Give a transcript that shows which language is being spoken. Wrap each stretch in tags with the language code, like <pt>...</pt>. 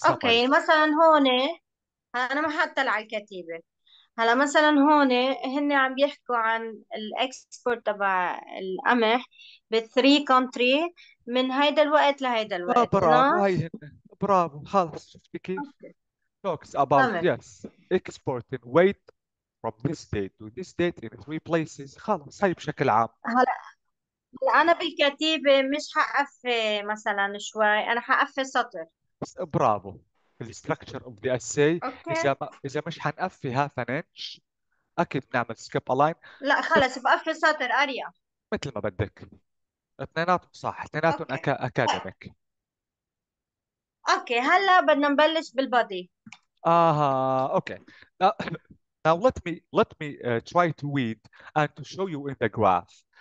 <ar>اوكي، مثلا هون انا ما حاطه على الكتيبه. هلا مثلا هون هن عم بيحكوا عن الاكسبورت تبع القمح بثري كونتري من هيدا الوقت لهيدا الوقت. برافو،</ar> <en>Enough.</en> <ar>هاي هن، برافو. خلص، شفتي كيف؟ اوكي</ar> <en>talks about</en> <ar>تمام.</ar> <en>yes exporting weight from this date to this date in three places.</en> <ar>خلص، هاي بشكل عام. هلا انا بالكتيبة مش حقف مثلا شوي، انا حقف سطر.</ar> <en>Bravo. The structure of the essay، okay</en> <ar>إذا ما إذا مش حنقفي</ar> <en>half an inch</en> <ar>أكيد بنعمل</ar> <en>skip a line.</en> <ar>لا خلص بقف سطر اريح. مثل ما بدك، اثنيناتهم صح، اثنيناتهم اوكي</ar> <en>Academic.</en> <ar>اوكي هلا بدنا نبلش بالبادي. آها، أوكي.</ar> <en>Now let me try to read and to show you in the graph.</en>